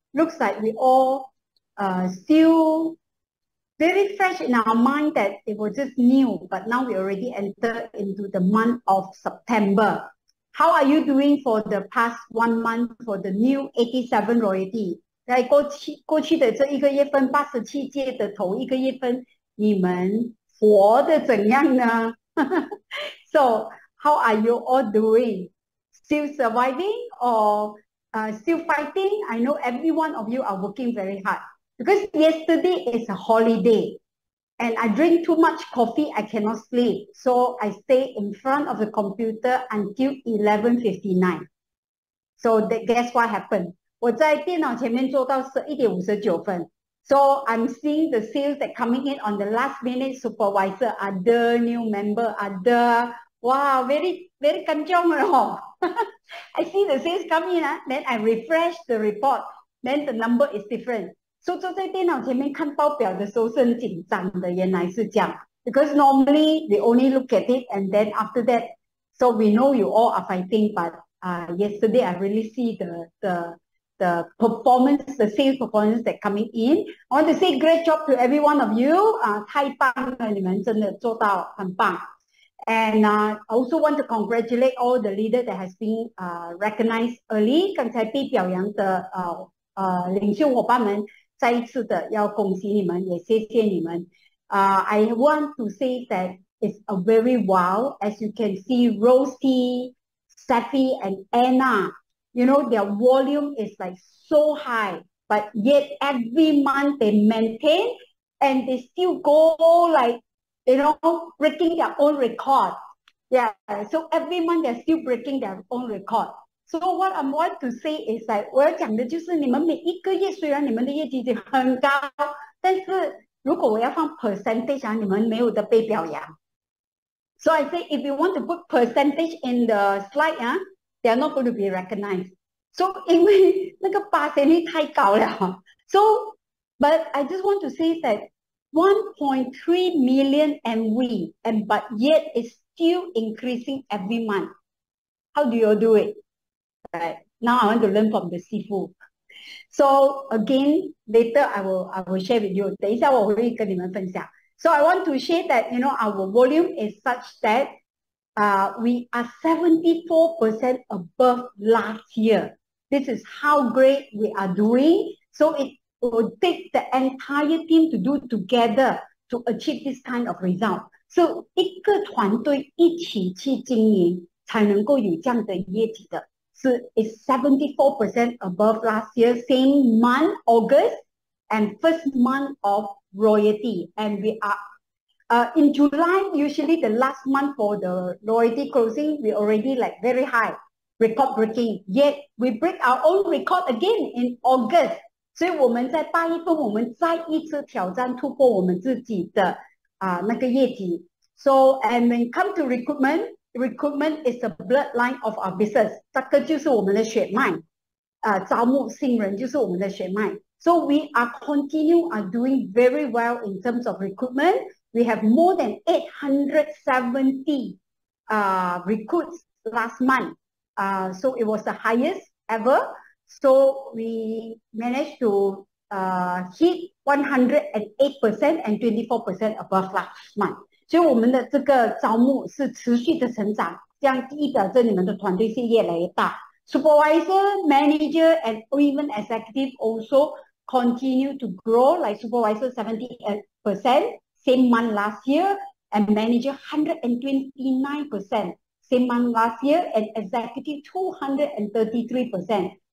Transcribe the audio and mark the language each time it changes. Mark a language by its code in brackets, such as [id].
[en] Looks like we all still very fresh in our mind that it was just new, but now we already entered into the month of September. How are you doing for the past 1 month for the new 87 royalty? [zh] 在过去的这一个月份, 87届的头一个月份, 你们活得怎样呢? [en] So, how are you all doing? Still surviving or still fighting? I know every one of you are working very hard. Because yesterday is a holiday. And I drink too much coffee, I cannot sleep. So I stay in front of the computer until 11:59. So that, guess what happened? [zh] 我在电脑前面做到11点59分. [en] So I'm seeing the sales that coming in on the last minute supervisor, other new member, other, wow, very, very kanjong. I see the sales come in, then I refresh the report. Then the number is different. [zh] So, 坐在电脑前面看报表的时候是很紧张的，原来是这样。 [en] Because normally we only look at it and then after that, so we know you all are fighting, but yesterday I really see the performance, the sales performance that coming in. I want to say great job to every one of you. [zh] 太棒了，你们真的做到很棒。 [en] And I also want to congratulate all the leaders that has been recognized early. [zh] 刚才被表扬的 领袖伙伴们, 再一次的要恭喜你们，也谢谢你们。 [en] I want to say that it's a very wow. As you can see, Rosie, Steffi, and Anna, you know, their volume is like so high, but yet every month they maintain and they still go like, you know, breaking their own record. Yeah, so every month they're still breaking their own record. So what I want to say is that [zh] 我要讲的就是你们每一个月虽然你们的业绩已经很高，但是如果我要放 percentage 啊，你们没有的被表扬。 [en] So I say if you want to put percentage in the slide 啊, they are not going to be recognized. [zh] So 因为那个8%率太高了。 [en] So but I just want to say that 1.3 million MV and but yet it's still increasing every month. How do you do it? Right. Now I want to learn from the sifu. So again, later I will share with you. [zh] 等一下我会跟你们分享. [en] So I want to share that, you know, our volume is such that we are 74% above last year. This is how great we are doing. So it will take the entire team to do together to achieve this kind of result. [zh] So 一个团队一起去经营才能够有这样的业绩的. [en] So it's 74% above last year, same month, August, and first month of royalty. And we are in July, usually the last month for the royalty closing, we already like very high, record breaking. Yet we break our own record again in August. [zh] So 我们在8月份,我们再一次挑战突破我们自己的 那个业绩. [en] So and when it comes to recruitment, recruitment is the bloodline of our business. [zh] 这个就是我们的血脉。招募新人就是我们的血脉。 [en] So we are continuing are doing very well in terms of recruitment. We have more than 870 recruits last month. So it was the highest ever. So we managed to hit 108% and 24% above last month. [zh] 所以我们的这个招募是持续的成长，这样意味着你们的团队是越来越大。 [en] Supervisor, manager, and even executive also continue to grow. Like supervisor 70%, same month last year, and manager 129%, same month last year, and executive 233%.